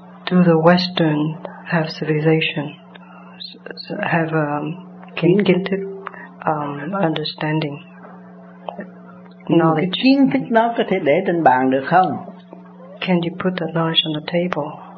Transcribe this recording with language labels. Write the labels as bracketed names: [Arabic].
[English] Do the Western have civilization, have [Vietnamese] kiến thức, [English] understanding, knowledge? [Vietnamese] Kiến thức nó có thể để trên bàn được không? [English] Can you put the knowledge on the table?